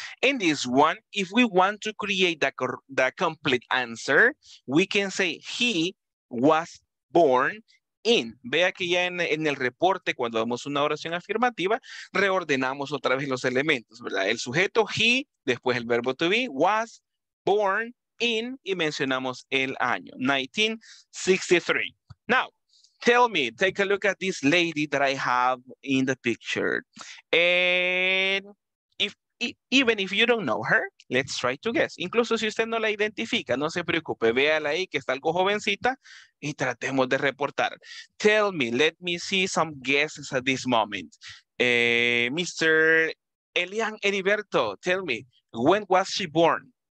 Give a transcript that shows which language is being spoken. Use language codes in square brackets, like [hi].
[en] In this one, if we want to create the complete answer, we can say he was born in. [es] Vea que ya en el reporte, cuando damos una oración afirmativa, reordenamos otra vez los elementos, ¿verdad? El sujeto, he, después el verbo to be, was born in, y mencionamos el año, 1963. [en] Now, tell me, take a look at this lady that I have in the picture. And even if you don't know her, let's try to guess. [es] Incluso si usted no la identifica, no se preocupe. Véala ahí que está algo jovencita y tratemos de reportar. [en] Tell me, let me see some guesses at this moment. Mr. Elian Heriberto, tell me, when was she born?